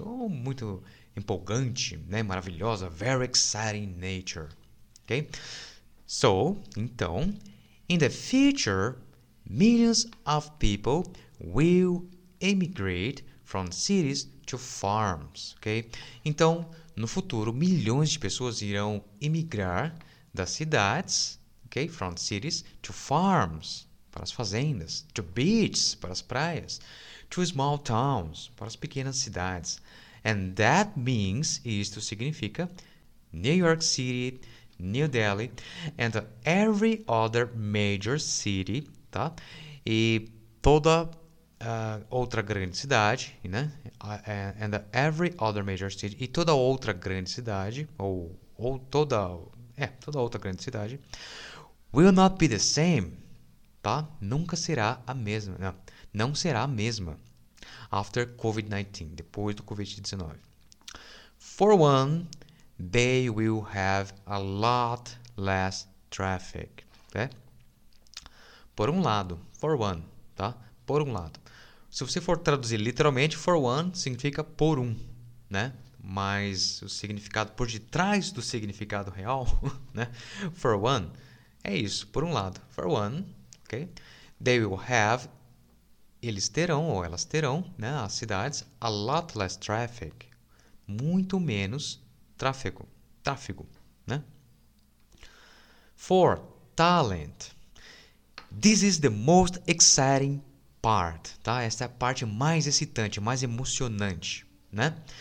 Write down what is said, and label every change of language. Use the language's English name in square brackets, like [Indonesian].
[Portuguese] Ou muito empolgante, né? Maravilhosa. [English] Very exciting nature. Okay? So, [Portuguese] então, [English] in the future, millions of people will emigrate from cities to farms. Okay? [Portuguese] Então, no futuro, milhões de pessoas irão emigrar das cidades, okay? [English] From cities to farms, [Portuguese] para as fazendas, [English] to beaches, [Portuguese] para as praias, [English] to small towns, [Portuguese] para as pequenas cidades. [English] And that means, [Portuguese] isto significa, [English] New York City, New Delhi and every other major city, tá? [Portuguese] E toda outra grande cidade, né? [English] And every other major city [Portuguese] e toda outra grande cidade toda outra grande cidade [English] will not be the same, [Portuguese] tá? Nunca será a mesma, não será a mesma [English] after COVID-19, [Portuguese] depois do COVID-19. [English] For one, they will have a lot less traffic. [Portuguese] Né? Por um lado, [English] for one, [Portuguese] tá? Por um lado. Se você for traduzir literalmente, for one significa por um, né? Mas o significado por detrás do significado real, né? For one, é isso, por um lado. For one, ok? [English] They will have, [Portuguese] eles terão ou elas terão, né? As cidades, [English] a lot less traffic. [Portuguese] Muito menos tráfego, né? [English] For talent, this is the most exciting part, tá? [Portuguese] Essa é a parte mais excitante, mais emocionante, né?